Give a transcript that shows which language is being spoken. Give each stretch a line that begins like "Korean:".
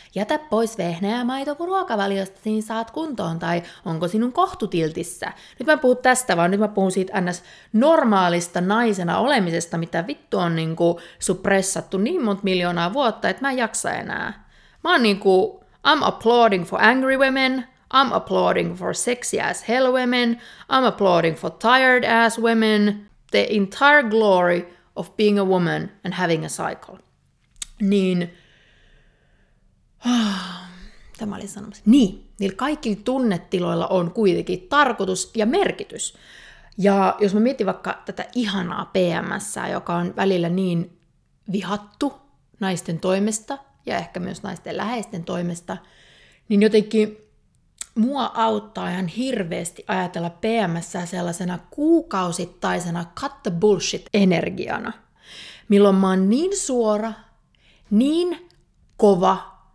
Finnish: Jätä pois vehnä ja maito, kun ruokavaliosta niin saat kuntoon, tai onko sinun kohtutiltissä. Nyt mä en puhu tästä, vaan nyt mä puhun siitä ns. Normaalista naisena olemisesta, mitä vittu on niin kuin suppressattu niin monta miljoonaa vuotta, että mä en jaksa enää. Mä oon niin kuin,
English: I'm applauding for angry women. I'm applauding for sexy as hell women, I'm applauding for tired ass women, the entire glory of being a woman and having a cycle.
Finnish: Niin, tämä oli sanomassa. Niin, niillä kaikilla tunnetiloilla on kuitenkin tarkoitus ja merkitys. Ja jos mä mietin vaikka tätä ihanaa PMS:ää, joka on välillä niin vihattu naisten toimesta ja ehkä myös naisten läheisten toimesta, niin jotenkin mua auttaa ihan hirveästi ajatella PMS:ää sellaisena kuukausittaisena cut the bullshit-energiana, milloin mä oon niin suora, niin kova